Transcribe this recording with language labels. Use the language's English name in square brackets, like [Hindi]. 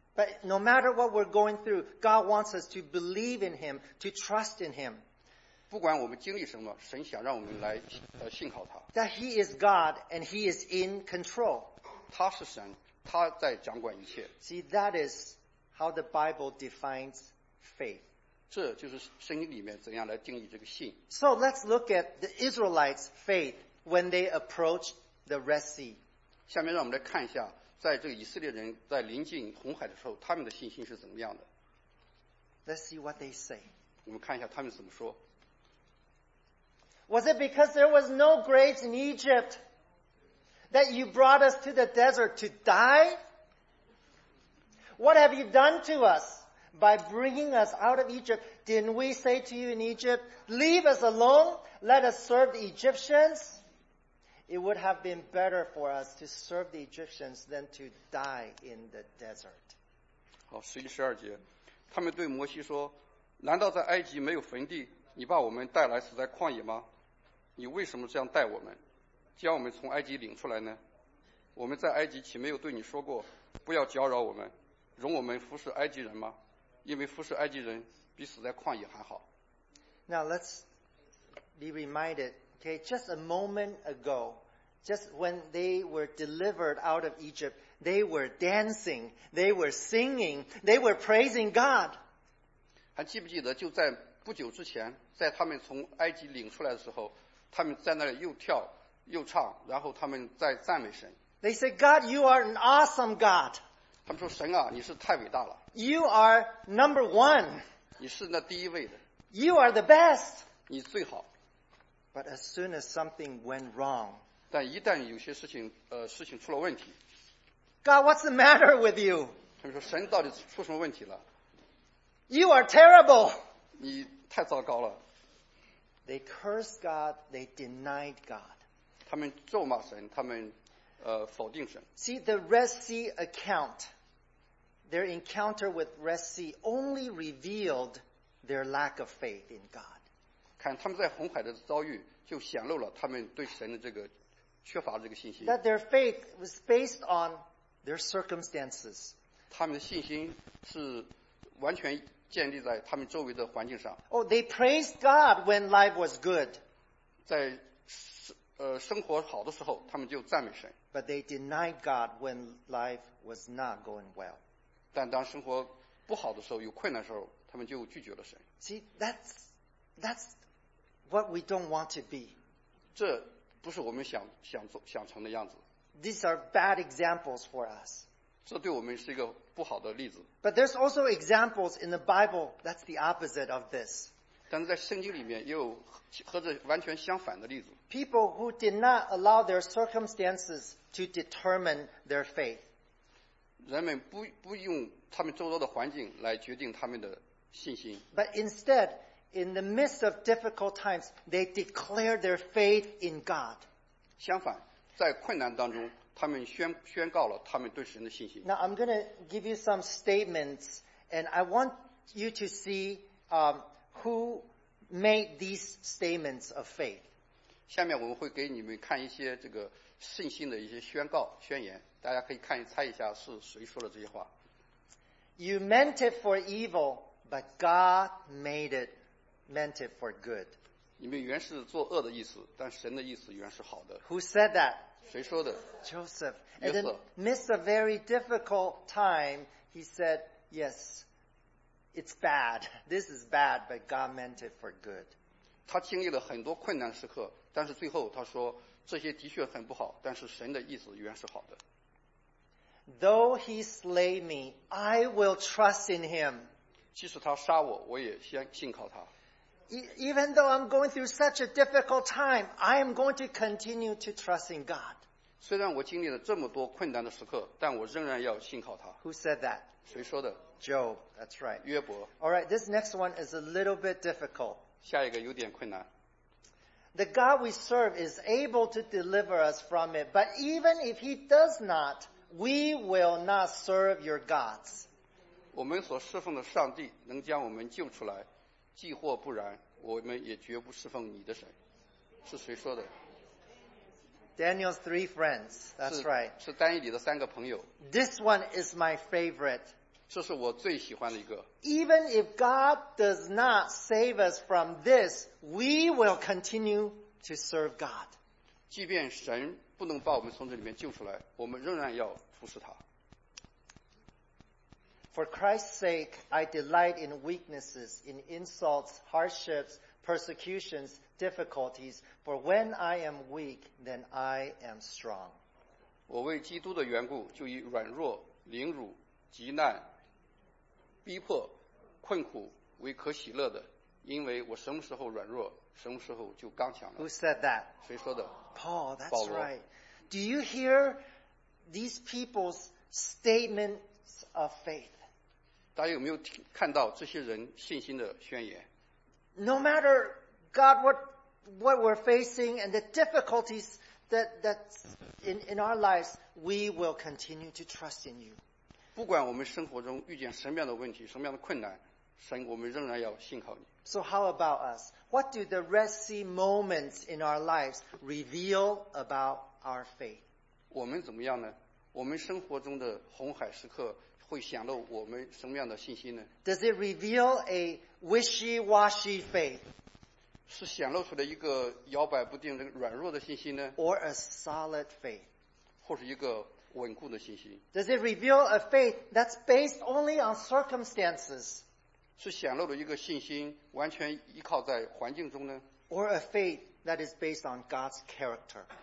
[English] But no matter what we're going through, God wants us to believe in Him, to trust in Him. [Chinese] 不管我们经历什么，神想让我们来信靠他。 [English] That He is God and He is in control. [Chinese] 他是神。他在掌管一切。 [English] See, that is how the Bible defines faith. [Chinese] 这就是圣经里面怎样来定义这个信。 [English] So let's look at the Israelites' faith when they approached the Red Sea. [Chinese] 下面让我们来看一下，在这个以色列人在临近红海的时候，他们的信心是怎么样的。 [English] Let's see what they say. [Chinese] 我们看一下他们怎么说。 [English] Was it because there was no graves in Egypt? That you brought us to the desert to die? What have you done to us by bringing us out of Egypt? Didn't we say to you in Egypt, leave us alone, let us serve the Egyptians? It would have been better for us to serve the Egyptians than to die in the desert. [Chinese] 好，十一十二节，他们对摩西说，难道在埃及没有坟地？你把我们带来死在旷野吗？你为什么这样待我们？将我们从埃及领出来呢？我们在埃及岂没有对你说过，不要搅扰我们，容我们服侍埃及人吗？因为服侍埃及人比死在旷野还好。 [English] Now let's be reminded, okay, just a moment ago, just when they were delivered out of Egypt, they were dancing, they were singing, they were praising God. [Chinese] 还记不记得就在不久之前，在他们从埃及领出来的时候，他们在那里又跳。又唱，然后他们在赞美神。 [English] They say, God, you are an awesome God. [Chinese] 他们说，神啊，你是太伟大了。 [English] You are number one. [Chinese] 你是那第一位的。 [English] You are the best. [Chinese] 你最好。 [English] But as soon as something went wrong, [Chinese] 但一旦有些事情出了问题。 [English] God, what's the matter with you? [Chinese] 他们说，神到底出什么问题了？ [English] You are terrible. [Chinese] 你太糟糕了。 [English] They cursed God, they denied God. [Chinese] 他们咒骂神，他们否定神。 [English] See the Red Sea account, their encounter with Red Sea only revealed their lack of faith in God. [Chinese] 看他们在红海的遭遇，就显露了他们对神的这个缺乏这个信心。 [English] That their faith was based on their circumstances. [Chinese] 他们的信心是完全建立在他们周围的环境上。 [English] Oh, they praised God when life was good. [Chinese] 在生活好的时候，他们就赞美神。 [English] But they denied God when life was not going well. [Chinese] 但当生活不好的时候，有困难的时候，他们就拒绝了神。 [English] See, that's what we don't want to be. [Chinese] 这不是我们想成的样子。 [English] These are bad examples for us. [Chinese] 这对我们是一个不好的例子。 [English] But there's also examples in the Bible that's the opposite of this. [Chinese] 但是在圣经里面又和这完全相反的例子。 [English] People who did not allow their circumstances to determine their faith. [Chinese] 人们不用他们周遭的环境来决定他们的信心。 [English] But instead, in the midst of difficult times, they declare their faith in God. [Chinese] 相反，在困难当中，他们宣告了他们对神的信心。 [English] Now I'm going to give you some statements, and I want you to see, who made these statements of faith. [Chinese] 下面我们会给你们看一些这个信心的一些宣告宣言，大家可以看猜一下是谁说了这些话。 [English] You meant it for evil, but God meant it for good. [Chinese] 你们原是做恶的意思，但神的意思原是好的。 [English] Who said that? [Chinese] 谁说的？ [English] Joseph. And in the midst of a very difficult time, he said, yes. It's bad. This is bad, but God meant it for good. [Chinese] 他经历了很多困难时刻，但是最后他说，这些的确很不好，但是神的意思原是好的。 [English] Though he slay me, I will trust in him. [Chinese] 即使他杀我，我也先信靠他。 [English] Even though I'm going through such a difficult time, I am going to continue to trust in God. [Chinese] 虽然我经历了这么多困难的时刻，但我仍然要信靠他。 [English] Who said that? [Chinese] 谁说的？ [English] Job, that's right. [Chinese] 约伯。 [English] Alright, this next one is a little bit difficult. [Chinese] 下一个有点困难。 [English] The God we serve is able to deliver us from it, but even if he does not, we will not serve your gods. [Chinese] 我们所侍奉的上帝能将我们救出来，既或不然，我们也绝不侍奉你的神。是谁说的？ [English] Daniel's three friends, that's right. [Chinese] 是丹以理的三个朋友。 [English] This one is my favorite. [Chinese] 这是我最喜欢的一个。 [English] Even if God does not save us from this, we will continue to serve God. [Chinese] 即便神不能把我们从这里面救出来，我们仍然要服侍他。 [English] For Christ's sake, I delight in weaknesses, in insults, hardships, persecutions, difficulties, for when I am weak, then I am strong. [Chinese] 我为基督的缘故，就以软弱、凌辱、极难逼迫困苦为可喜乐的，因为我什么时候软弱，什么时候就刚强了。 [English] Who said that? [Chinese] 谁说的？ [English] Paul, that's right. Do you hear these people's statements of faith? [Chinese] 大家有没有看到这些人信心的宣言？ [English] No matter God what we're facing and the difficulties that in our lives, we will continue to trust in you. [Chinese] 不管我们生活中遇见什么样的问题，什么样的困难，神，我们仍然要信靠你。 [English] So how about us? What do the Red Sea moments in our lives reveal about our faith? [Chinese] 我们怎么样呢？我们生活中的红海时刻会显露我们什么样的信心呢？ [English] Does it reveal a wishy-washy faith? [Chinese] 是显露出了一个摇摆不定、软弱的信心呢？ [English] Or a solid faith? [Chinese] 或是一个稳固的信心。 [English] Does it reveal a faith that's based only on circumstances? [Chinese] 是显露了一个信心完全依靠在环境中呢？ [English] Or a faith that is based on God's character?